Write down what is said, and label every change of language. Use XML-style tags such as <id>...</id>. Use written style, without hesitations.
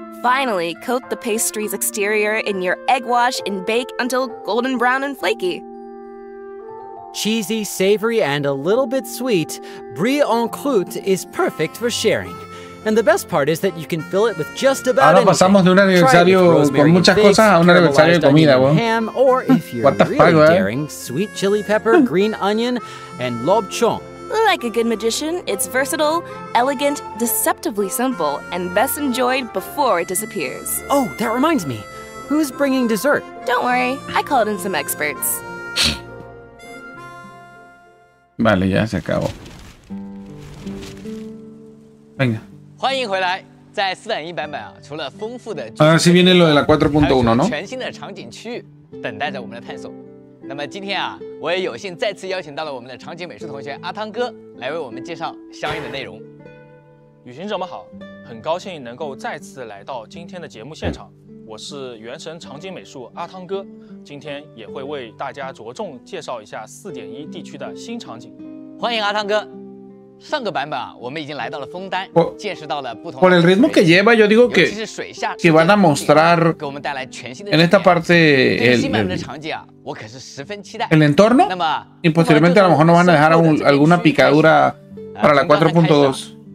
<en>Finally, coat the pastry's exterior in your egg wash and bake until golden brown and flaky. Cheesy, savory, and a little bit sweet, brie en croûte is perfect for sharing. And the best part is that you can fill it with just about anything.</en> <es>Ahora pasamos de un aniversario con muchas cosas a un aniversario de comida, weón.</es> <en>Ham, or if you're really daring, sweet chili pepper, green onion, and lob chong. Like a good magician, it's versatile, elegant, deceptively simple, and best enjoyed before it disappears. Oh, that reminds me. Who's bringing dessert? Don't worry, I called in some experts.</en> <es>Vale, ya se acabó. Venga.</es> <zh>欢迎回来, 在4.1版本啊, 除了丰富的,</zh> <es>ahora sí viene lo de la 4.1, ¿no?</es> <zh>全新的场景区, 等待着我们的探索。那么今天啊, 我也有幸再次邀请到了我们的场景美术同学阿汤哥, 来为我们介绍相应的内容。旅行者们好, 很高兴能够再次来到今天的节目现场, 我是原神场景美术阿汤哥, 今天也会为大家着重介绍一下 4.1地区的新场景。欢迎阿汤哥。上个版本啊, 我们已经来到了枫丹, 见识到了不同的,</zh> <es>por el ritmo que lleva, yo digo que van a mostrar en esta parte el entorno, y posteriormente a lo mejor no van a dejar alguna picadura para la 4.2.</es>